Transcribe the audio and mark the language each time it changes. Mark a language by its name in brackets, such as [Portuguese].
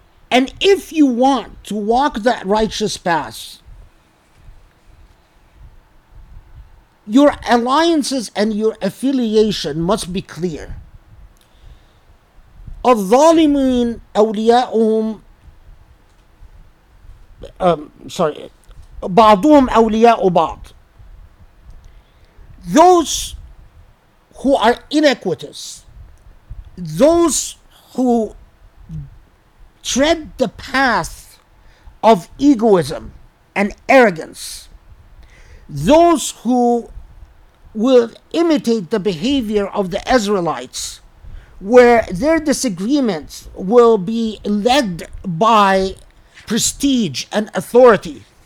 [English] And if you want to walk that righteous path, your alliances and your affiliation must be clear. [Arabic] الظالمين أولياؤهم بعضهم أولياء بعض. [English] Those who are inequitous, those who tread the path of egoism and arrogance, those who will imitate the behavior of the Israelites, where their disagreements will be led by prestige and authority.